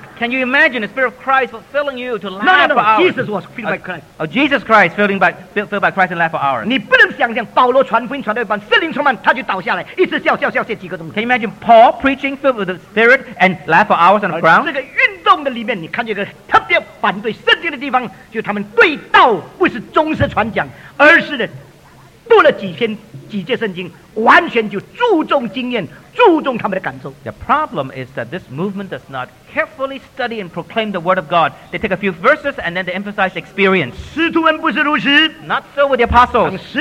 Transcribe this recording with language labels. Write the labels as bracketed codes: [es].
[en] Can you imagine the Spirit of Christ fulfilling you to laugh for hours? Jesus was filled by Christ. Jesus Christ filled by Christ and laugh for hours. [zh] 你不能想象保罗传福音传到一半，圣灵充满，他就倒下来，一直笑笑笑笑几个钟头。 [en] Can you imagine Paul preaching filled with the Spirit and laugh for hours on the ground? [zh] 这个运动的里面，你看这个特别反对圣经的地方，就是他们对道不是忠实传讲，而是呢，读了几篇几节圣经，完全就注重经验。 [en] The problem is that this movement does not carefully study and proclaim the word of God. They take a few verses and then they emphasize experience. Not so with the apostles.